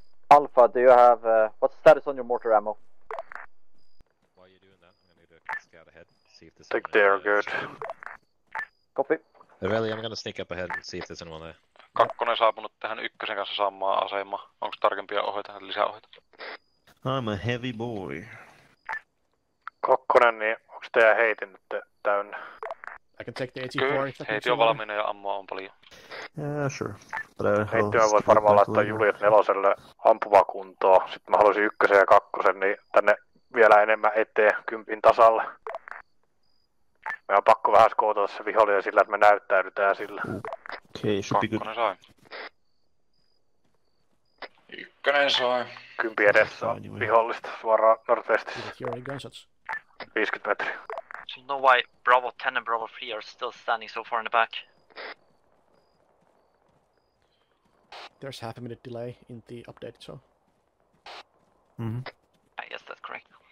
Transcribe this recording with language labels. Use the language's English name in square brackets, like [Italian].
[English] Alpha, do you have what's the status on your mortar ammo? While you're doing that, I'm gonna do a scout ahead, see if there's think they are good. Copy. Really, I'm gonna sneak up ahead and see if there's anyone there. [Finnish] Kakkonen saapunut tähän ykkösen kanssa samaan asema. Onko tarkempia ohjeita tähän lisäohjeita? [English] I'm a heavy boy. [Finnish] Kakkonen, niin onks teidän heitin nyt täynnä? [English] I can take the 84. [Finnish] Kyllä, heitin on valmiina ja ammoa on paljon. [English] Yeah, sure. [Finnish] Heittimä voit varmaan laittaa Juliet neloselle ampuvakuntoa. Sitten mä haluaisin ykkösen ja kakkosen, niin tänne vielä enemmän eteen kympin tasalle. Meidän on pakko vähän skootata se vihollinen sillä, että me näyttäydytään sillä. [English] Okay, [Finnish] kakkonen sai. Ykkönen sai. Kympi edessä on vihollista suoraan nordvestissä. 50 metriä. [English] Do you know why Bravo 10 and Bravo 3 are still standing so far in the back? There's half a minute delay in the update, so... Mm-hmm. I guess that's correct.